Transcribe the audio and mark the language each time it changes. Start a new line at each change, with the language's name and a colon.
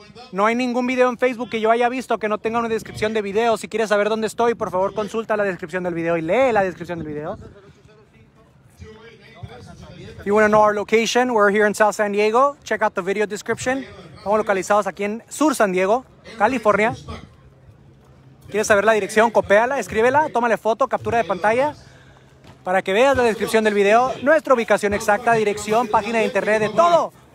Spanish: No hay ningún video en Facebook que yo haya visto que no tenga una descripción de video. Si quieres saber dónde estoy, por favor, consulta la descripción del video y lee la descripción del video.
English: If you want to know our location, we're here in South San Diego. Check out the video description.
Spanish: Estamos localizados aquí en Sur San Diego, California. ¿Quieres saber la dirección? Copéala, escríbela, tómale foto, captura de pantalla. Para que veas la descripción del video, nuestra ubicación exacta, dirección, página de internet, de todo.